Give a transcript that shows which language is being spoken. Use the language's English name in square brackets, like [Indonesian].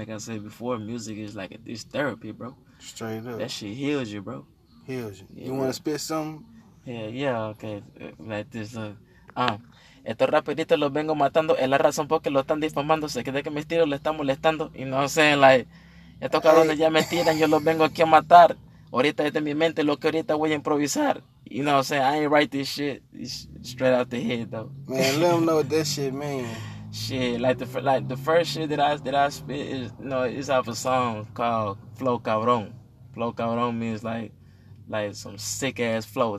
[English] Like I said before, music is like this therapy, bro. Straight up, that shit heals you, bro. Heals you. Yeah. You want to spit something? Yeah. Okay. Like this. [Spanish] Estos rapiditos los vengo matando. Es la razón por que lo están difamando. Se cree que mi estilo le está molestando. [English] You know what I'm saying? [Spanish] Like estos cabrones ya me tiran. Yo los vengo aquí a matar. Ahorita desde mi mente lo que ahorita voy a improvisar. [English] You know what I'm saying? I ain't write this shit. It's straight out the head, though. Man, let them know what that shit mean. Shit, like the first shit that I spit is, you know, it's off a song called Flow Cabrón. Flow Cabrón means like some sick ass flow.